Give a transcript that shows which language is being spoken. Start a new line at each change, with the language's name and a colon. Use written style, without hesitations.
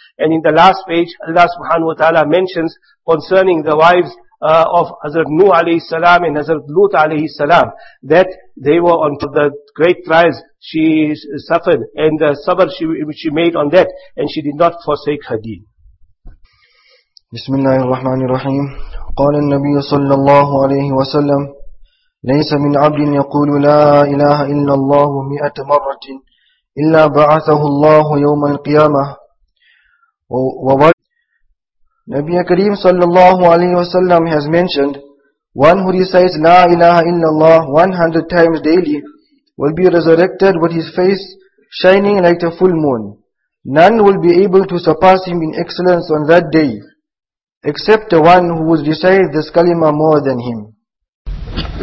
English: And in the last page, Allah subhanahu wa ta'ala mentions concerning the wives of Hazrat Nuh alayhi salam and Hazrat Lut alayhi salam, that they were on the great trials she suffered and the sabr she made on that, and she did not forsake her deen.
Arabic: Bismillahir Rahmanir Rahim. Qala an-Nabi sallallahu alayhi wa sallam, ليس من عبد يقول لا إله إلا الله 100 مرة إلا بعثه الله يوم القيامة.
English: Nabi Kareem sallallahu alayhi wa sallam has mentioned, one who recites La ilaha illallah 100 times daily will be resurrected with his face shining like the full moon. None will be able to surpass him in excellence on that day, except the one who would recite this kalima more than him.